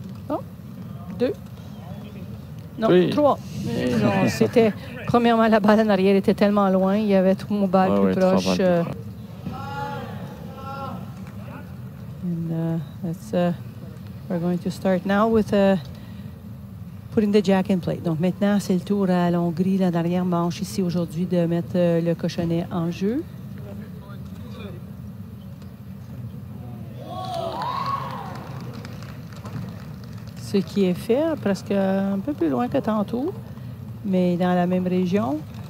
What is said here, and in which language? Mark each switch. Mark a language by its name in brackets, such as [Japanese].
[French] Non, 2. Non, 3. Oui. C'était, premièrement, la balle en arrière était tellement loin, il y avait 3 balles plus proches. [English] We're going to start now with putting the jack in play. [French] Donc maintenant, c'est le tour à Longry, la dernière manche ici aujourd'hui, de mettre le cochonnet en jeu. Ce qui est fait, presque un peu plus loin que tantôt, mais dans la même région.